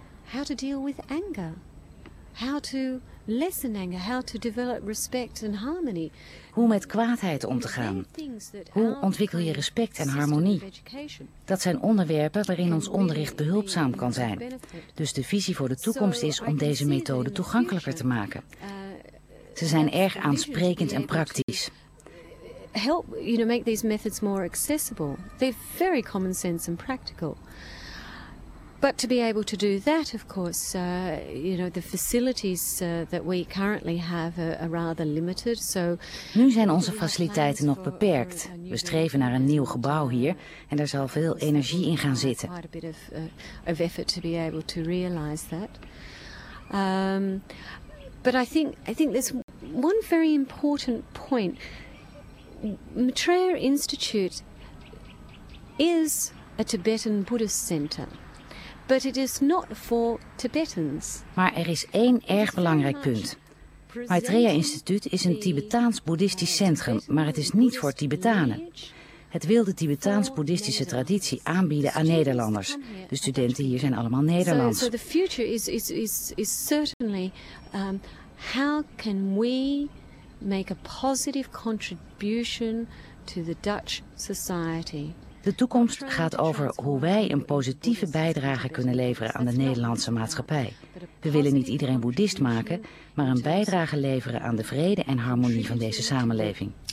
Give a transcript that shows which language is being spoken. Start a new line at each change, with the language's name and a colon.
English: How to deal with anger, how to lessen anger, how to develop respect and harmony.
Dutch: Hoe met kwaadheid om te gaan. Hoe ontwikkel je respect en harmonie? Dat zijn onderwerpen waarin ons onderricht behulpzaam kan zijn. Dus de visie voor de toekomst is om deze methode toegankelijker te maken. Ze zijn erg aansprekend en praktisch.
English: Help, you know, make these methods more accessible. They're very common sense and practical. But to be able to do that, of course, you know, the facilities that we currently have are rather limited. So
Dutch: nu zijn onze faciliteiten nog beperkt. We streven naar een nieuw gebouw hier en daar zal veel energie in gaan zitten.
English: Quite a bit of effort to be able to realize that. But I think there's one very important point. Maitreya Institute is a Tibetan Buddhist center. But it is not for Tibetans.
Dutch: Maar er is één erg belangrijk punt. Maitreya Instituut is een Tibetaans-boeddhistisch centrum, maar het is niet voor Tibetanen. Het wil de Tibetaans-boeddhistische traditie aanbieden aan Nederlanders. De studenten hier zijn allemaal Nederlands.
English: So the future is certainly how can we make a positive contribution to the Dutch society?
Dutch: De toekomst gaat over hoe wij een positieve bijdrage kunnen leveren aan de Nederlandse maatschappij. We willen niet iedereen boeddhist maken, maar een bijdrage leveren aan de vrede en harmonie van deze samenleving.